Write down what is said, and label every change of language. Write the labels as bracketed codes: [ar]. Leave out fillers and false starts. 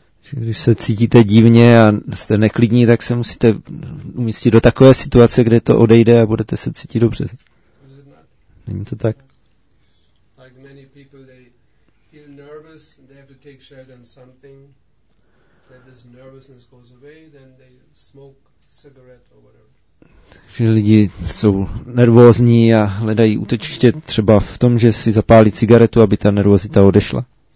[cs] Když se cítíte divně a jste neklidní, tak se musíte umístit do takové situace, kde to odejde a budete se cítit dobře. Není to tak? [en] Like many people, they feel nervous and they have to take shelter in something. That this nervousness goes away, then they smoke cigarette or whatever. [cs] Takže lidi jsou nervózní a hledají útočiště třeba v tom, že si zapálí cigaretu, aby ta nervozita odešla.